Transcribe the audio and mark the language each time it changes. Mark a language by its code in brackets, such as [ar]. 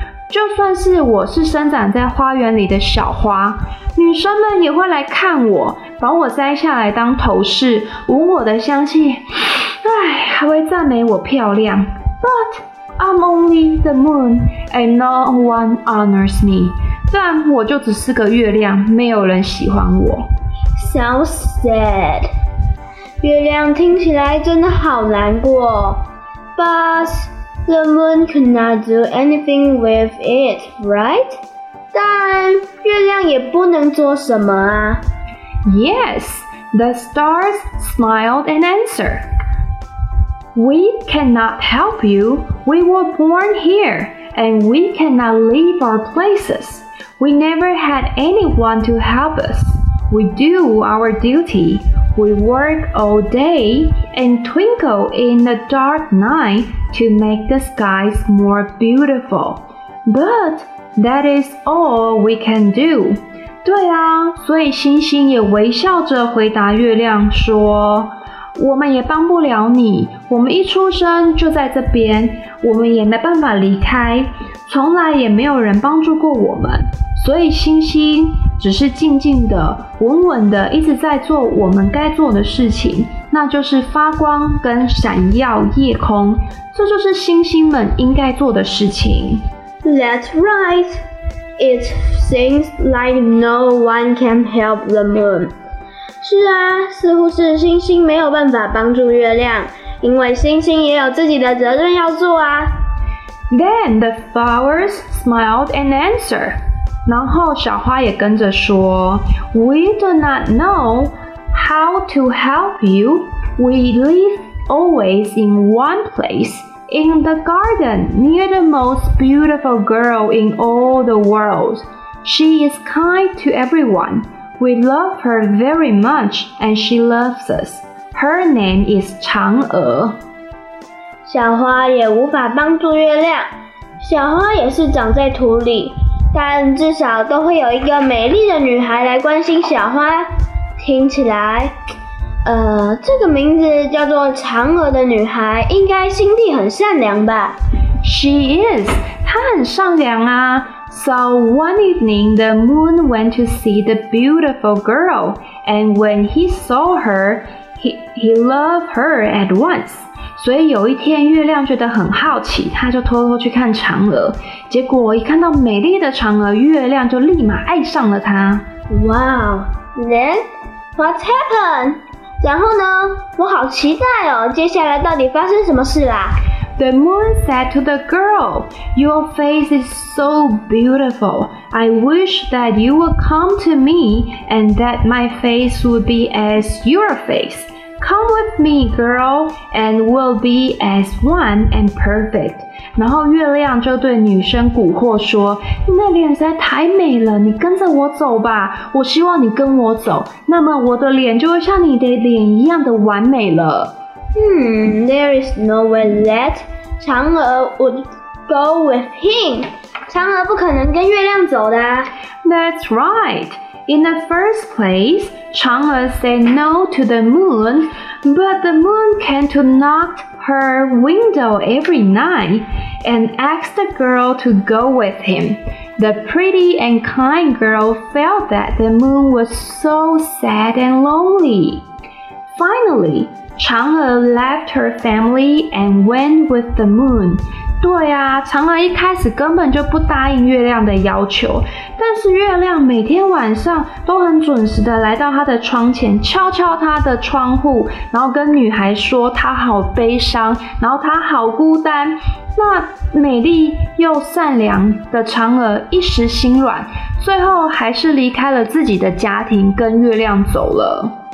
[zh] 就算是我是生长在花园里的小花，女生们也会来看我，把我摘下来当头饰，闻我的香气，唉，还会赞美我漂亮。 [en] But I'm only the moon, and no one honors me. [zh] 但我就只是个月亮，没有人喜欢我。 [en] Sounds sad. [zh] 月亮听起来真的好难过。 [en] But. The moon cannot do anything with it, right? [zh] 但月亮也不能做什么啊。 [en] Yes, the stars smiled and answered. We cannot help you. We were born here, and we cannot leave our places. We never had anyone to help us. We do our duty. We work all day and twinkle in the dark night. To make the skies more beautiful. But that is all we can do. [zh] 对啊，所以星星也微笑着回答月亮说，我们也帮不了你，我们一出生就在这边，我们也没办法离开，从来也没有人帮助过我们。所以星星只是静静的、稳稳的一直在做我们该做的事情，那就是发光跟闪耀夜空，这就是星星们应该做的事情。 [en] That's right. It seems like no one can help the moon. [zh] 是啊，似乎是星星没有办法帮助月亮，因为星星也有自己的责任要做啊。 [en] Then the flowers smiled and answered. [zh] 然后小花也跟着说 [en] We do not know how to help you. We live always in one place, in the garden near the most beautiful girl in all the world. She is kind to everyone. We love her very much and she loves us. Her name is 嫦娥。 [zh] 小花也无法帮助月亮，小花也是长在土里，但至少都会有一个美丽的女孩来关心小花。听起来，这个名字叫做嫦娥的女孩应该心地很善良吧。 [en] She is, [zh] 她很善良啊。 [en] So one evening the moon went to see the beautiful girl, and when he saw her, He loved her at once. [zh] 所以有一天月亮觉得很好奇，他就偷偷去看嫦娥，结果一看到美丽的嫦娥，月亮就立马爱上了她。 [en] Wow, then what happened? [zh] 然后呢，我好期待哦，接下来到底发生什么事啦？ [en] The moon said to the girl, Your face is so beautiful. I wish that you would come to me and that my face would be as your face. Come with me, girl, and we'll be as one and perfect. [zh] 然后月亮就对女生蛊惑说，你的脸实在太美了，你跟着我走吧，我希望你跟我走，那么我的脸就会像你的脸一样的完美了。 [en] There is no way that 嫦娥 would go with him. [zh] 嫦娥不可能跟月亮走的啊。 [en] That's right. In the first place, 嫦娥 said no to the moon, but the moon came to knock her window every night and asked the girl to go with him. The pretty and kind girl felt that the moon was so sad and lonely. Finally,嫦娥 left her family and went with the moon. [zh] 对啊，嫦娥一开始根本就不答应月亮的要求，但是月亮每天晚上都很准时的来到她的窗前，敲敲她的窗户，然后跟女孩说她好悲伤，然后她好孤单。那美丽又善良的嫦娥一时心软，最后还是离开了自己的家庭，跟月亮走了。